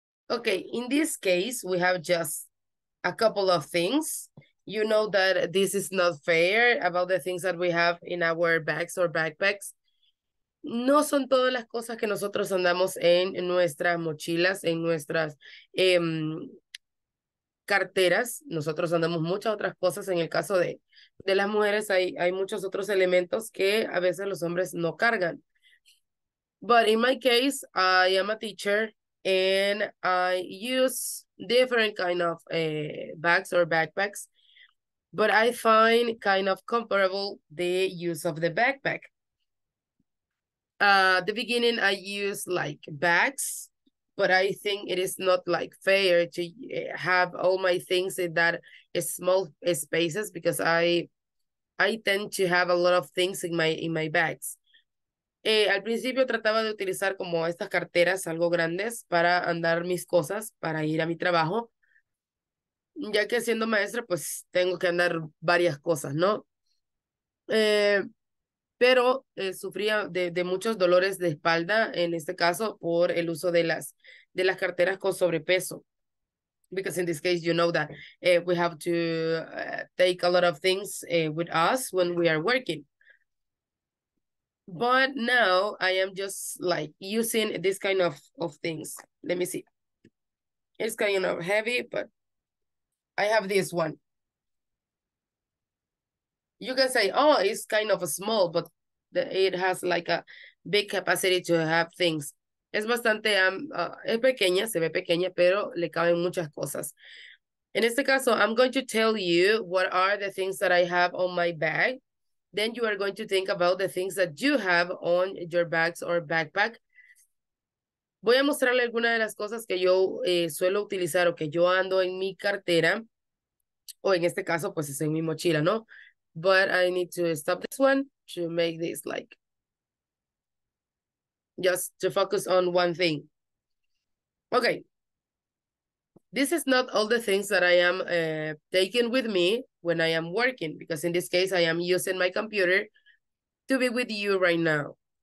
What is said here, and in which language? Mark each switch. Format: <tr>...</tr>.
<en>Okay, in this case, we have just a couple of things. You know that this is not fair about the things that we have in our bags or backpacks.</en> <es>No son todas las cosas que nosotros andamos en nuestras mochilas, en nuestras carteras. Nosotros andamos muchas otras cosas. En el caso de las mujeres, hay muchos otros elementos que a veces los hombres no cargan.</es> <en>But in my case, I am a teacher. And I use different kind of bags or backpacks, but I find kind of comparable the use of the backpack. The beginning I use like bags, But I think it is not like fair to have all my things in that small spaces because I tend to have a lot of things in my bags.</en> <es>Al principio trataba de utilizar como estas carteras algo grandes para andar mis cosas, para ir a mi trabajo. Ya que siendo maestra, pues tengo que andar varias cosas, ¿no? Pero sufría de muchos dolores de espalda, en este caso, por el uso de las carteras con sobrepeso.</es> <en>Because in this case, you know that we have to take a lot of things with us when we are working. But now I am just like using this kind of things. Let me see. It's kind of heavy, but I have this one. You can say, oh, it's kind of small, but it has like a big capacity to have things.</en> <es>Es bastante, es pequeña, se ve pequeña, pero le caben muchas cosas.</es> <en>In</en> <es>este caso,</es> <en>I'm going to tell you what are the things that I have on my bag. Then you are going to think about the things that you have on your bags or backpack.</en> <es>Voy a mostrarle algunas de las cosas que yo suelo utilizar o que yo ando en mi cartera. O en este caso, pues es en mi mochila, ¿no?</es> <en>But I need to stop this one to make this like just to focus on one thing. Okay. This is not all the things that I am taking with me when I am working, because in this case, I am using my computer to be with you right now.</en>